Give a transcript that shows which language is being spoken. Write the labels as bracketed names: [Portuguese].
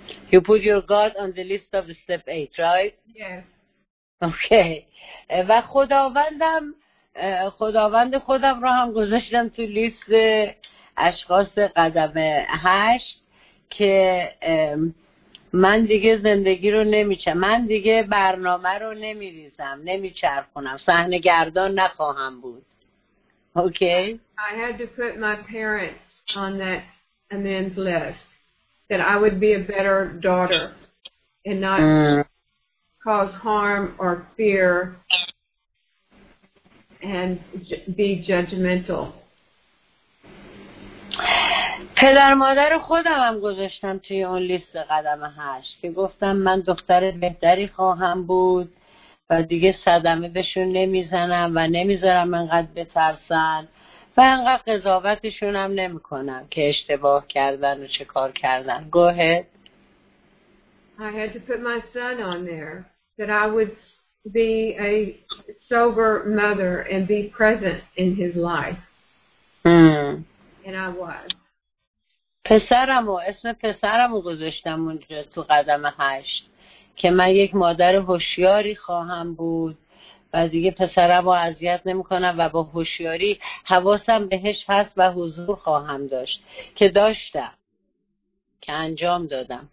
[English] You put your God on the list of step 8, right? Yes. Okay. [Persian] و خداوندم، خداوند خودم رو هم گذاشتم تو لیست اشخاص قدم 8 که من دیگه زندگی رو نمیچرخونم، من دیگه برنامه رو نمیریزم، نمیچرخونم، صحنه گردان نخواهم بود. [English] Okay. I had to put my parents on that amends list. That I would be a better daughter and not cause harm or fear and be judgmental. [Persian] پدر مادر خودم هم گذاشتم توی اون لیست قدم 8 که گفتم من دختر بهتری خواهم بود و دیگه صدمه بهشون نمیزنم و نمیذارم انقدر بترسن و انقدر قضاوتشون هم نمی کنم که اشتباه کردن و چه کار کردن. [English] Go ahead. I had to put my son on there that I would be a sober mother and be present in his life. And I was. [Persian] پسرمو، اسم پسرمو گذاشتم اونجا تو قدم 8 که من یک مادر هوشیاری خواهم بود و دیگه پسرمو اذیت نمی‌کنم و با هوشیاری حواسم بهش هست و حضور خواهم داشت که داشتم که انجام دادم.